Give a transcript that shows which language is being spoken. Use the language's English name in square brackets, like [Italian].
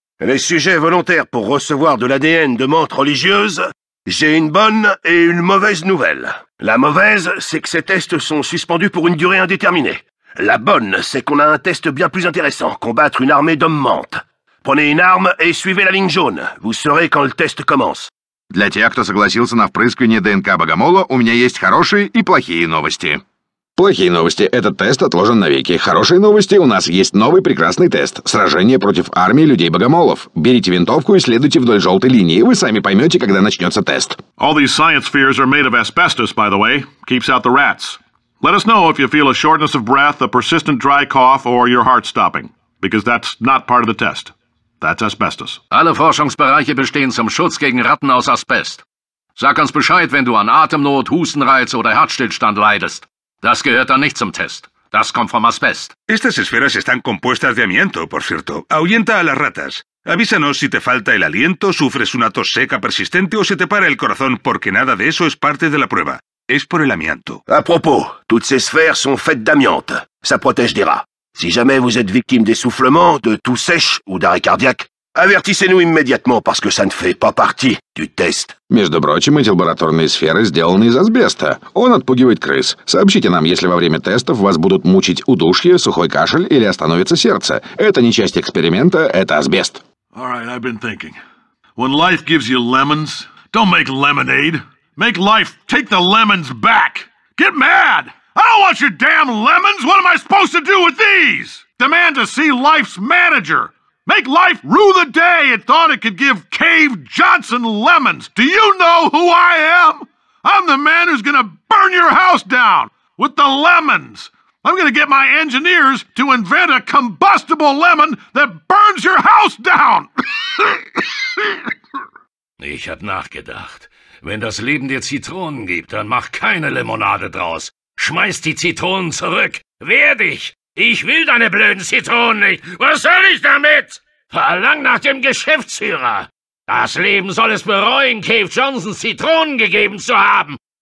[French] Les sujets volontaires pour recevoir de l'ADN de mantis religieuse, j'ai une bonne et une mauvaise nouvelle. La mauvaise, c'est que ces tests sont suspendus pour une durée indéterminée. La bonne, c'est qu'on a un test bien plus intéressant, combattre une armée d'hommes mantis. Prenez une arme et suivez la ligne jaune. Vous saurez quand le test commence. [Russian] Для тех, кто согласился на впрыскивание ДНК богомола, у меня есть хорошие и плохие новости. Плохие новости. Этот тест отложен навеки. Хорошие новости. У нас есть новый прекрасный тест. Сражение против армии людей-богомолов. Берите винтовку и следуйте вдоль желтой линии. Вы сами поймете, когда начнется тест. [English] All these science fears are made of asbestos, by the way. Keeps out the rats. Let us know if you feel a shortness of breath, a persistent dry cough, or your heart stopping. Because that's not part of the test. That's asbestos. [German] Alle Forschungsbereiche bestehen zum Schutz gegen Ratten aus Asbest. Sag uns Bescheid, wenn du an Atemnot, Hustenreiz oder Herzstillstand leidest. Das gehört dann nicht zum Test. Das kommt vom Asbest. [Spanish] Estas esferas están compuestas de amianto, por cierto. Ahuyenta a las ratas. Avísanos si te falta el aliento, sufres una tos seca persistente o se te para el corazón, porque nada de eso es parte de la prueba. Es por el amianto. [French] A propos, toutes ces sphères sont faites d'amiante. Ça protège des rats. Si jamais vous êtes victime d'essoufflement, de toux sèche ou d'arrêt cardiaque, avertissez-nous immédiatement parce que ça ne fait pas partie Du test. [Russian] Между прочим, эти лабораторные сферы сделаны из асбеста. Он отпугивает крыс. Сообщите нам, если во время тестов вас будут мучить удушье, сухой кашель или остановится сердце. Это не часть эксперимента, это асбест. [English] All right, I've been thinking. When life gives you lemons, don't make lemonade. Make life take the lemons back. Get mad. I don't want your damn lemons. What am I supposed to do with these? Demand to see life's manager. Make life rue the day it thought it could give Cave Johnson lemons. Do you know who I am? I'm the man who's gonna burn your house down with the lemons. I'm gonna get my engineers to invent a combustible lemon that burns your house down. [German] Ich hab nachgedacht. Wenn das Leben dir Zitronen gibt, dann mach keine Limonade draus. Schmeiß die Zitronen zurück. Wehr dich. Ich will deine blöden Zitronen nicht. Was soll ich damit? Verlang nach dem Geschäftsführer. Das Leben soll es bereuen, Cave Johnson Zitronen gegeben zu haben.